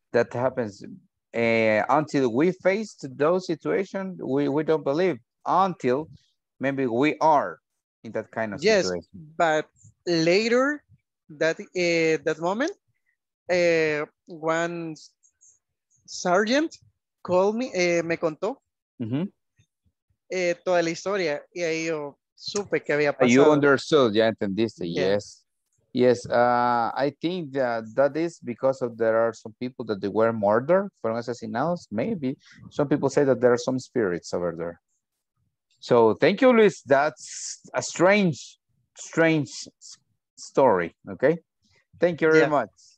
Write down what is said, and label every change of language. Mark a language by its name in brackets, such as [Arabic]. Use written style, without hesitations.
[English] That happens until we face those situations, we don't believe until maybe we are in that kind of yes, situation. Yes, but later that that moment, one sergeant called me, [Spanish] me contó mm-hmm. Toda la historia y ahí yo supe que había pasado. [English] You understood, [Spanish] ya entendiste, [English] yeah. Yes. Yes, I think that is because of there are some people that they were murdered, [Spanish] fueron asesinados, [English] maybe. Some people say that there are some spirits over there. So thank you, Luis. That's a strange, strange story, okay? Thank you very much.